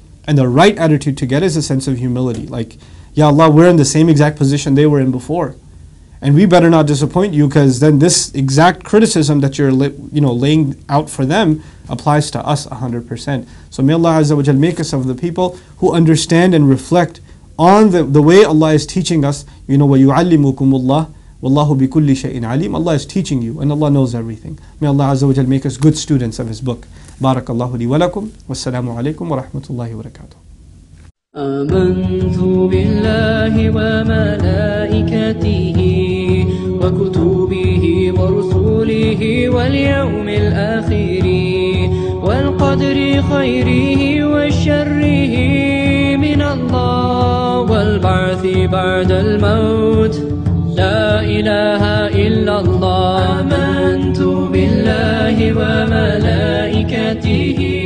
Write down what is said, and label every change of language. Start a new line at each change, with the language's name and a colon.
English: And the right attitude to get is a sense of humility. Like, Ya Allah, we're in the same exact position they were in before. And we better not disappoint you, because then this exact criticism that you're laying out for them applies to us 100%. So may Allah Azza wa Jal make us of the people who understand and reflect on the way Allah is teaching us. You know,
Arabic: وَيُعَلِّمُكُمُ اللَّهُ وَاللَّهُ بِكُلِّ شَيْءٍ عَلِيمٌ.
English: Allah is teaching you and Allah knows everything. May Allah Azza wa Jal make us good students of His book.
Arabic: بارك الله لي ولكم والسلام عليكم ورحمة الله وبركاته. آمنت بالله وملائكته وكتبه ورسله واليوم الآخر والقدر خيره وشره من الله والبعث بعد الموت لا إله إلا الله. آمنت بالله وملائكته